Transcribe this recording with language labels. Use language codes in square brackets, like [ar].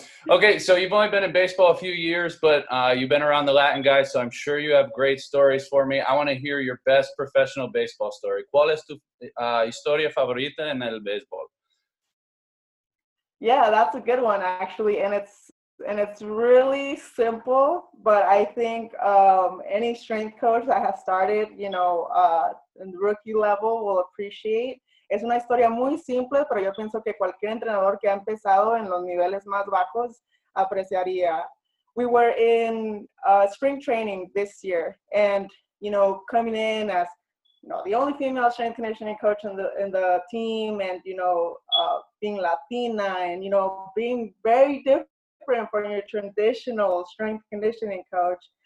[en] Okay, so you've only been in baseball a few years, but you've been around the Latin guys, so I'm sure you have great stories for me. I want to hear your best professional baseball story. [es] ¿Cuál es tu historia favorita en el béisbol? [en] Yeah, that's a good one, actually, and it's really simple, but I think any strength coach that has started, in the rookie level will appreciate. [es] Es una historia muy simple, pero yo pienso que cualquier entrenador que ha empezado en los niveles más bajos apreciaría. [en] We were in spring training this year, and, coming in as you know, the only female strength conditioning coach in the team, and, you know, being Latina, and, you know, being very different from your traditional strength conditioning coach.